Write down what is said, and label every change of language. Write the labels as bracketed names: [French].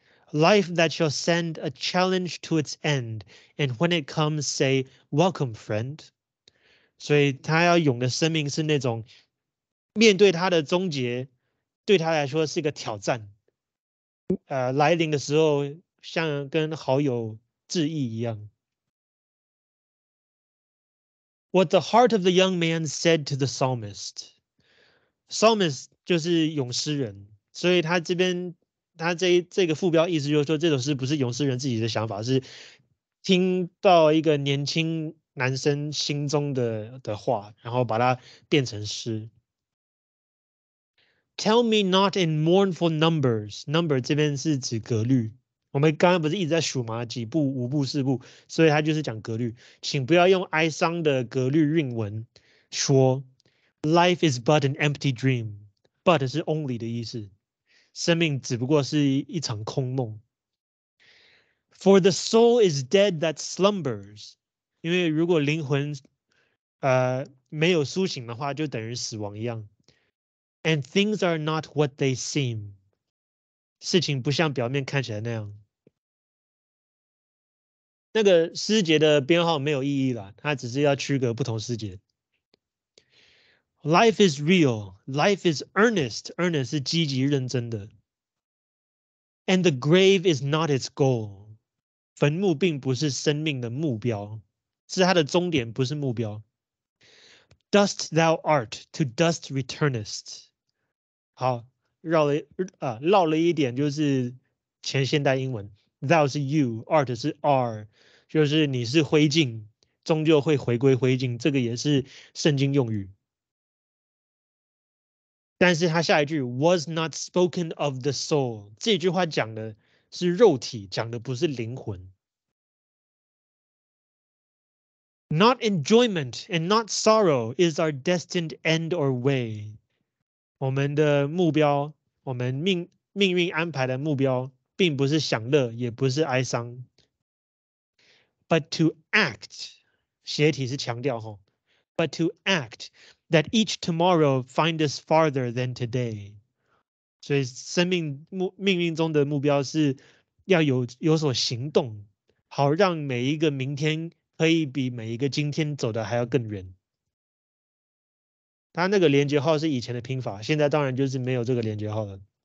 [English] Life that shall send a challenge to its end, and when it comes, say, welcome, friend. [Chinese] 所以他要用的生命是那种面对他的终结，对他来说是一个挑战。来临的时候像跟好友致意一样。 [English] What the heart of the young man said to the psalmist. [Chinese] Psalmist 就是咏诗人，所以他这边他这个副标意思就是说，这首诗不是咏诗人自己的想法，是听到一个年轻男生心中的话，然后把它变成诗。 [English] Tell me not in mournful numbers. Number [Chinese] 这边是指格律。我们刚刚不是一直在数吗？几步、五步、四步，所以他就是讲格律。请不要用哀伤的格律韵文说 ， [English] Life is but an empty dream. [Chinese] But 是 only 的意思。生命只不过是一场空梦。 [English] For the soul is dead that slumbers， [Chinese] 因为如果灵魂没有苏醒的话，就等于死亡一样。 [English] And things are not what they seem， [Chinese] 事情不像表面看起来那样。那个诗节的编号没有意义啦，它只是要区隔不同诗节。 [English] Life is real, life is earnest， earnest [Chinese] 是积极认真的。 [English] And the grave is not its goal. [Chinese] 坟墓并不是生命的目标，是它的终点，不是目标。 [English] Dust thou art, to dust returnest. [Chinese] 好，绕了绕了一点，就是前现代英文。 Thou 是 you, art 是 are， 就是你是灰烬，终究会回归灰烬。这个也是圣经用语。但是他下一句 [English] was not spoken of the soul， [Chinese] 这句话讲的是肉体，讲的不是灵魂。 [English] Not enjoyment and not sorrow is our destined end or way. [Chinese] 我们的目标，我们命运安排的目标，并不是享乐，也不是哀伤。 [English] But to act， [Chinese] 斜体是强调吼。 [English] But to act that each tomorrow find us farther than today. [Chinese] 所以生命命运中的目标是要有所行动，好让每一个明天可以比每一个今天走的还要更远。他那个连结号是以前的拼法，现在当然就是没有这个连结号了。